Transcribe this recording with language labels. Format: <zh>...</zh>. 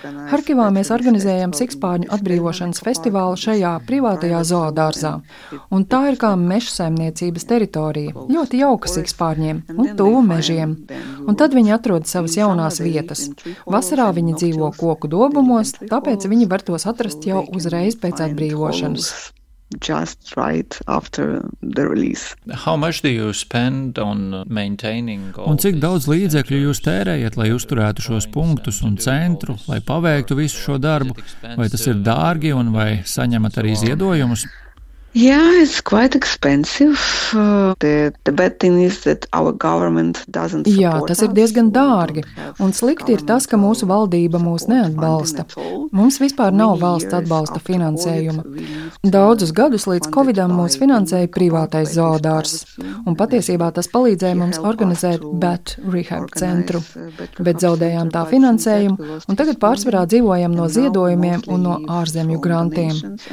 <lv>Harkivā mēs organizējam sikspārņu atbrīvošanas festivālu šajā privātajā zoodārzā. Un tā ir kā mežsaimniecības teritorija, ļoti jauka sikspārņiem un tuvu mežiem. Un tad viņi atrod savas jaunās vietas. Vasarā viņi dzīvo koku dobumos, tāpēc viņi var tos atrast jau uzreiz pēc atbrīvošanas.</lv> <en>Just right after the release. How much do you spend on maintaining all?</en> <lv>Un cik daudz līdzekļu jūs tērējat, lai uzturētu šos punktus un centru, lai paveiktu visu šo darbu? Vai tas ir dārgi un vai saņemat arī ziedojumus?</lv> <en>Yeah, it's quite expensive. The bad thing is that our government doesn't support us.</en> <lv>Jā, tas ir diezgan dārgi. Un slikti ir tas, ka mūsu valdība mūs neatbalsta. Mums vispār nav valsts atbalsta finansējuma. Daudzus gadus līdz Covidam mūs finansēja privātais zoodārs. Un patiesībā tas palīdzēja mums organizēt Bat Rehab centru. Bet zaudējām tā finansējumu, un tagad pārsvarā dzīvojam no ziedojumiem un no ārzemju grantiem.</lv>